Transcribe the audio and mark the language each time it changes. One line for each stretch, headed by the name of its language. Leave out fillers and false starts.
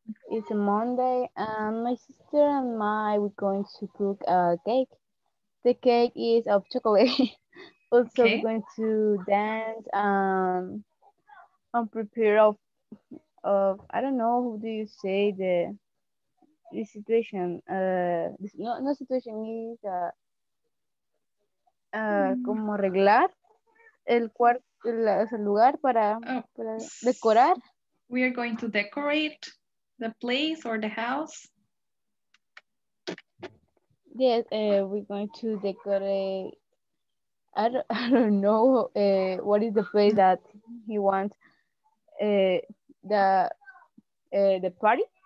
English: It's a Monday, and my sister and I are going to cook a cake. The cake is of chocolate. Also, okay. Going to dance and prepare of I don't know, who do you say the situation? No situation is
Spanish: como arreglar el cuarto, el lugar para decorar.
English: We are going to decorate the place or the house. Yes, we're going to decorate. I don't know what is the place that he wants the party.